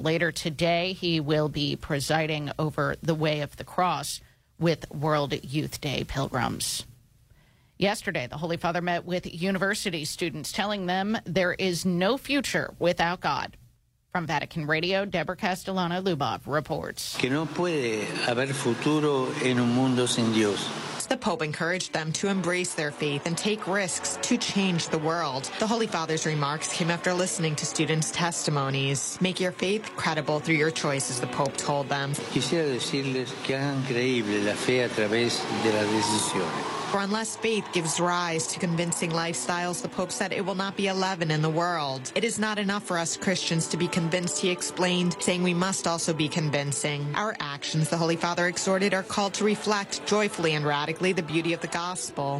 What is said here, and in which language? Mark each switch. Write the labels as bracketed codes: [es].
[en] Later today, he will be presiding over the Way of the Cross with World Youth Day pilgrims. Yesterday, the Holy Father met with university students, telling them there is no future without God. From Vatican Radio, Deborah Castellano-Lubov reports. [es] Que no puede haber futuro en un mundo sin Dios. [en] The Pope encouraged them to embrace their faith and take risks to change the world. The Holy Father's remarks came after listening to students' testimonies. Make your faith credible through your choices, the Pope told them. [es] Quisiera decirles que hagan creíble la fe a través de las decisiones. [en] For unless faith gives rise to convincing lifestyles, the Pope said, it will not be a leaven in the world. It is not enough for us Christians to be convinced, he explained, saying we must also be convincing. Our actions, the Holy Father exhorted, are called to reflect joyfully and radically the beauty of the gospel.